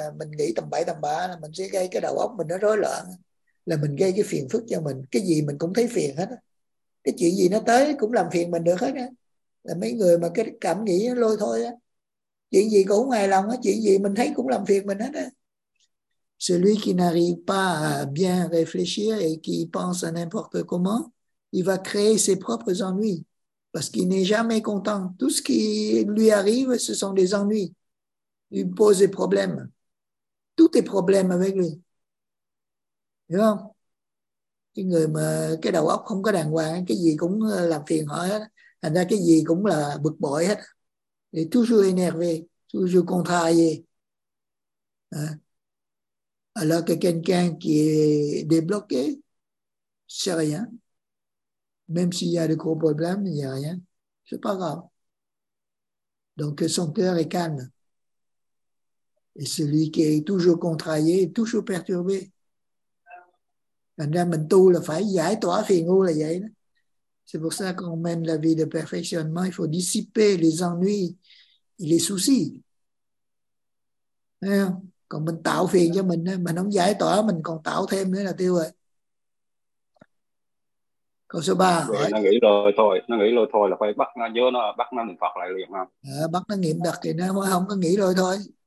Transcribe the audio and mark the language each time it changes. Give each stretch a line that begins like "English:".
Vietnamese: Mình nghĩ tầm bậy tầm bạ là mình sẽ gây cái đầu óc mình nó rối loạn. Là mình gây cái phiền phức cho mình. Cái gì mình cũng thấy phiền hết á. Cái chuyện gì nó tới cũng làm phiền mình được hết á. là mấy người mà cái cảm nghĩ nó lôi thôi á, chuyện gì cũng hài lòng á, chuyện gì mình thấy cũng làm phiền mình hết á.
French: Celui qui n'arrive pas à bien réfléchir et qui pense à n'importe comment, il va créer ses propres ennuis parce qu'il n'est jamais content. Tout ce qui lui arrive, ce sont des ennuis. Il pose des problèmes. Tout est problème avec lui.
Vietnamese: Hiểu không? Cái người mà cái đầu óc không có đàng hoàng, cái gì cũng làm phiền họ hết. Thành ra cái gì cũng là bực bội hết.
French: Il est toujours énervé, toujours contrarié. Alors que quelqu'un qui est débloqué, c'est rien. Même s'il y a de gros problèmes, il n'y a rien. C'est pas grave. Donc son cœur est calme. Et celui qui est toujours contrarié, toujours perturbé.
Vietnamese: Thành ra mình tu là phải giải tỏa phiền ngu là vậy.
French: C'est pour ça qu'on mène la vie de perfectionnement. Il faut dissiper les ennuis et les soucis.
Vietnamese: Thấy không? Còn mình tạo phiền cho mình, mình không giải tỏa, mình còn tạo thêm nữa là tiêu rồi. Câu số 3. Nó nghĩ rồi thôi, nó nghĩ rồi thôi là phải bắt nó nhớ, nó bắt nó niệm Phật lại liền không? À, bắt nó niệm đặc thì nó mới không có nghĩ rồi thôi.